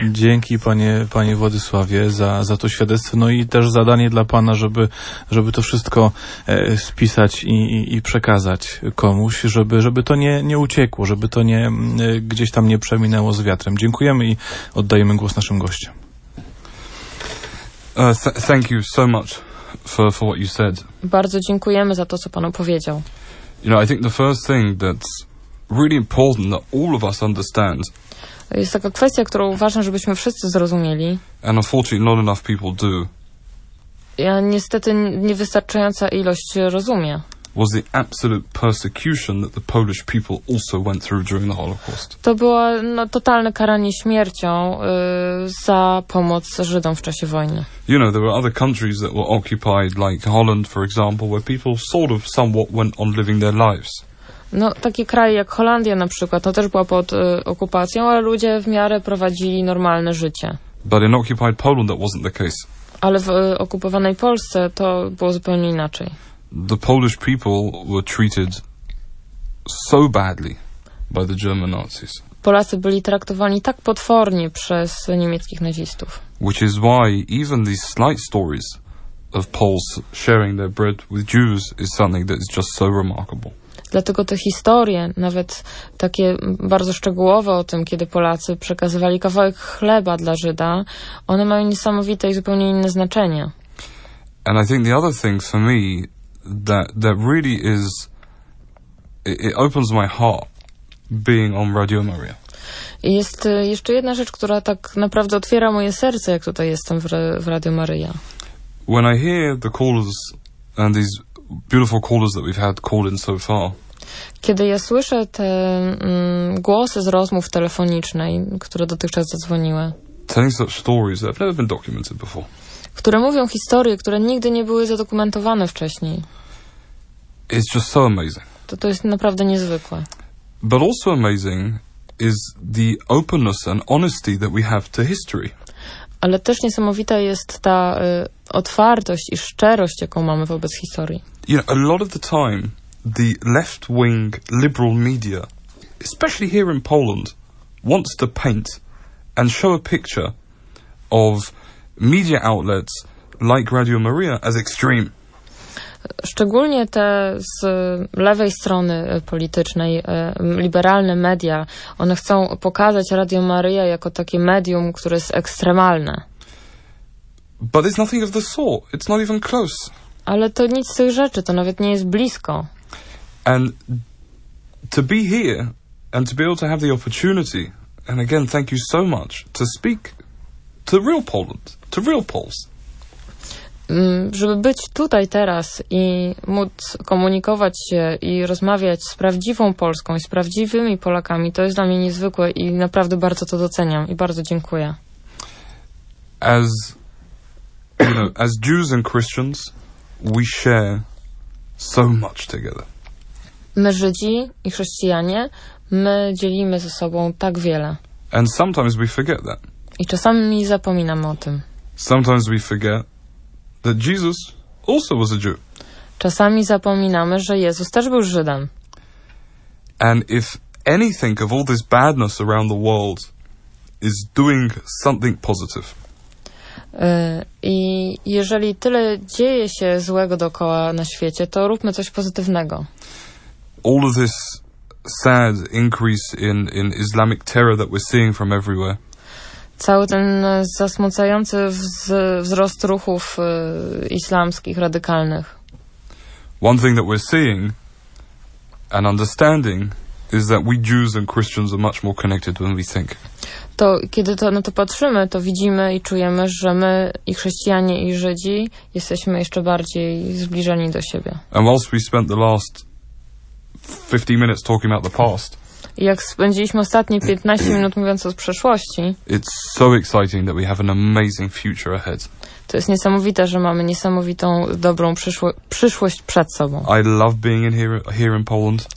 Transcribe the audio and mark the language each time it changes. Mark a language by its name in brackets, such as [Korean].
[Polish] Dzięki panie Władysławie za to świadectwo. No i też zadanie dla pana, żeby to wszystko spisać i przekazać komuś, żeby to nie uciekło, żeby to nie gdzieś tam nie przeminęło z wiatrem. Dziękujemy i oddajemy głos naszym gościom. [English] Thank you so much for what you said. [Polish] Bardzo dziękujemy za to, co pan powiedział. [English] You know, I think the first thing that's really important that all of us understand. [Polish] Jest taka kwestia, którą ważne, żebyśmy wszyscy zrozumieli. [English] And unfortunately, not enough people do. [Polish] Ja niestety niewystarczająca ilość rozumie. [English] Was the absolute persecution that the Polish people also went through during the Holocaust. [Polish] To było totalne karanie śmiercią za pomoc Żydom w czasie wojny. [English] You know, there were other countries that were occupied, like Holland, for example, where people sort of somewhat went on living their lives. [Polish] No, takie kraje jak Holandia na przykład, no też była pod okupacją, ale ludzie w miarę prowadzili normalne życie. [English] But in occupied Poland that wasn't the case. [Polish] Ale w okupowanej Polsce to było zupełnie inaczej. [English] The Polish people were treated so badly by the German Nazis. [Polish] Polacy byli traktowani tak potwornie przez niemieckich nazistów. [English] Which is why even these slight stories of Poles sharing their bread with Jews is something that is just so remarkable. [Polish] Dlatego te historie, nawet takie bardzo szczegółowe o tym, kiedy Polacy przekazywali kawałek chleba dla Żyda, one mają niesamowite i zupełnie inne znaczenie. [English] And I think the other thing for me that really is it opens my heart being on Radio Maria. [Polish] Jest jeszcze jedna rzecz, która tak naprawdę otwiera moje serce, jak tutaj jestem w Radio Maria. [English] When I hear the callers and these beautiful callers that we've had called in so far. [Polish] Kiedy ja słyszę te głosy z rozmów telefonicznej, które dotychczas zadzwoniły. [English] Telling such stories that have never been documented before. [Polish] Które mówią historie, które nigdy nie były zadokumentowane wcześniej. [English] It's just so amazing. [Polish] To jest naprawdę niezwykłe. [English] But also amazing is the openness and honesty that we have to history. [Polish] Ale też niesamowita jest ta otwartość i szczerość, jaką mamy wobec historii. [English] You know, a lot of the time, the left-wing liberal media, especially here in Poland, wants to paint and show a picture of media outlets like Radio Maria as extreme. [Polish] Szczególnie te z lewej strony politycznej, liberalne media, one chcą pokazać Radio Maria jako takie medium, które jest ekstremalne. [English] But it's nothing of the sort. It's not even close. [Polish] Ale to nic z tych rzeczy, to nawet nie jest blisko. [English] And to be here and to be able to have the opportunity, and again, thank you so much, to speak to real Poland, to real Poles. [Polish] Żeby być tutaj teraz i móc komunikować się i rozmawiać z prawdziwą Polską i z prawdziwymi Polakami, to jest dla mnie niezwykłe i naprawdę bardzo to doceniam i bardzo dziękuję. [English] As, you know, as Jews and Christians, we share so much together. [Polish] My Żydzi i chrześcijanie, my dzielimy ze sobą tak wiele. [English] And sometimes we forget that. [Polish] I czasami zapominamy o tym. [English] Sometimes we forget that Jesus also was a Jew. [Polish] Czasami zapominamy, że Jezus też był Żydem. [English] And if anything of all this badness around the world is doing something positive. [Polish] I jeżeli tyle dzieje się złego dookoła na świecie, to róbmy coś pozytywnego. [English] All of this sad increase in Islamic terror that we're seeing from everywhere. [Polish] Cały ten zasmucający wzrost ruchów islamskich, radykalnych. [English] One thing that we're seeing and understanding is that we Jews and Christians are much more connected than we think. [Polish] To kiedy to na to patrzymy, to widzimy i czujemy, że my i chrześcijanie i Żydzi jesteśmy jeszcze bardziej zbliżeni do siebie. [English] And whilst we spent the last 15 minutes talking about the past. [Polish] Jak spędziliśmy ostatnie 15 minut mówiąc o przeszłości. [English] It's so exciting that we have an amazing future ahead. [Polish] To jest niesamowite, że mamy niesamowitą, dobrą przyszłość przed sobą. [English] I love being in here in Poland.